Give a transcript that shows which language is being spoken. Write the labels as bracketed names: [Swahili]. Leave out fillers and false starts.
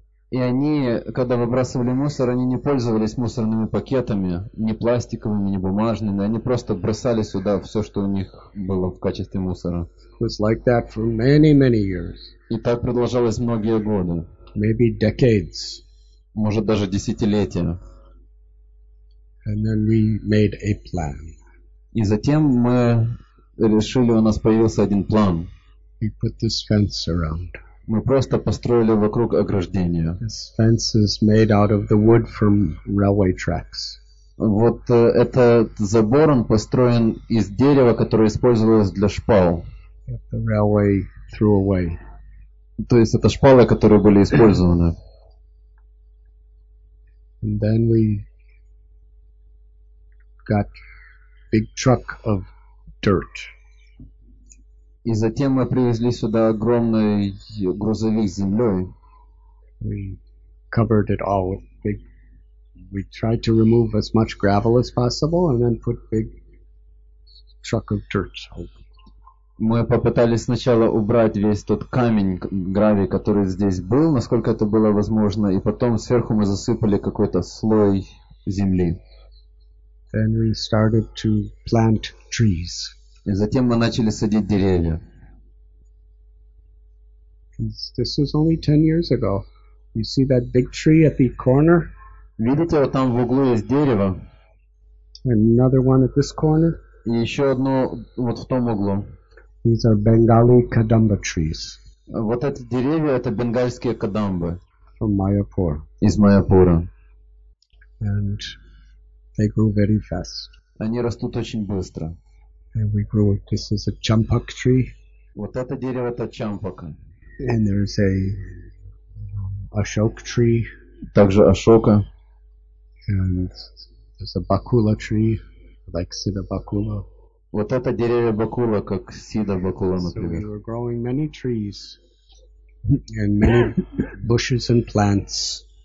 [Russian] И они, когда выбрасывали мусор, они не пользовались мусорными пакетами, ни пластиковыми, ни бумажными. Они просто бросали сюда все, что у них было в качестве мусора. [English] It was like that for many, many years. [Russian] И так продолжалось многие годы. [English] Maybe decades. [Russian] Может, даже десятилетия. [English] And then we made a plan. [Russian] И затем мы решили, у нас появился один план. [English] We put this fence around. [Russian] Мы просто построили вокруг ограждение. [English] This fence is made out of the wood from railway tracks. [Russian] Вот этот забор, он построен из дерева, которое использовалось для шпал. [English] That the railway threw away. [Russian] То есть это шпалы, которые были использованы. [English] And then we got big truck of dirt. [Russian] И затем мы привезли сюда огромный грузовик с землей. [English] We covered it all with big. We tried to remove as much gravel as possible, and then put big truck of dirt. [Russian] Мы попытались сначала убрать весь тот камень, гравий, который здесь был, насколько это было возможно, и потом сверху мы засыпали какой-то слой земли. [English] Then we started to plant trees. [Russian] И затем мы начали садить деревья. [English] This was only 10 years ago. You see that big tree at the corner? [Russian] Видите, вот там в углу есть дерево. [English] And another one at this corner. [Russian] И еще одно вот в том углу. [English] These are Bengali kadamba trees. [Russian] Вот эти деревья — это бенгальские кадамбы. [English] From Mayapur. [Russian] Из Майяпура. [English] And they grew very fast. [Russian] Они растут очень быстро. [English] And we grew. This is a champak tree. [Russian] Вот это дерево — это champaka. [English] And there is a ashok tree. [Russian] Также ashoka. [English] And there's a bakula tree, like sida bakula. [Russian] Вот это деревья бакула, как сида бакула, например. [English] So we were growing many trees and many bushes and plants.